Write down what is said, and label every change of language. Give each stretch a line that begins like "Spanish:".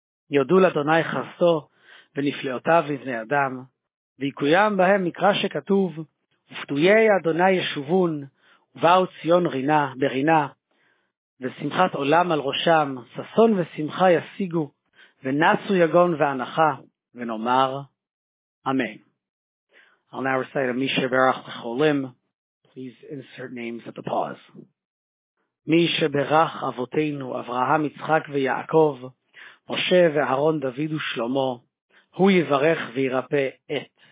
Hebrew: יודו לאדוני חסדו ונפלאותיו לבני אדם, ויקוים בהם מקרא שכתוב, ופדויי אדוני ישובון, ובאו ציון רינה, ברינה, ושמחת עולם על ראשם, ששון ושמחה ישיגו, ונסו יגון ואנחה, ונאמר אמן.
English: I'll now recite a Misha Berach לחולים. Please insert names at the pause.
Hebrew: Misha Berach אבותינו, אברהם, יצחק ויעקב, משה ואהרון, דוד ושלמה, הוא יברך וירפא את.